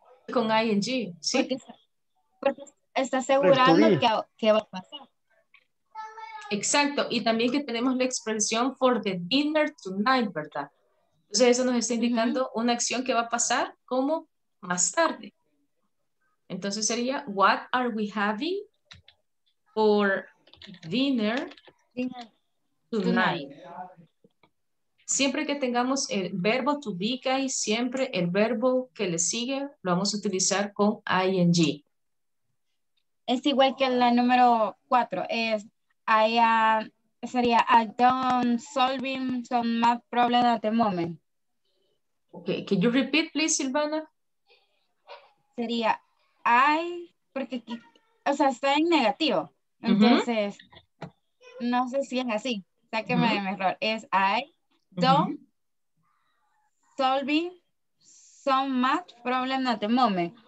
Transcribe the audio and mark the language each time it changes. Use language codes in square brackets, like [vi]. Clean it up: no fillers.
[es] Con ing, sí. Porque está asegurando que va a pasar. Exacto. Y también que tenemos la expresión [en] for the dinner tonight, [es] ¿verdad? Entonces eso nos está indicando una acción que va a pasar como más tarde. [en] Entonces sería, what are we having for dinner tonight? [es] Siempre que tengamos el verbo to be, guys, siempre el verbo que le sigue lo vamos a utilizar con ing. Es igual que la número cuatro, es, sería, [en] I don't solving some math problems at the moment. Okay, can you repeat, please, Silvana? [es] Sería, I, porque, o sea, está en negativo. Entonces, no sé si es así, sáqueme de mi error. Es, [en] I don't solving some math problems at the moment.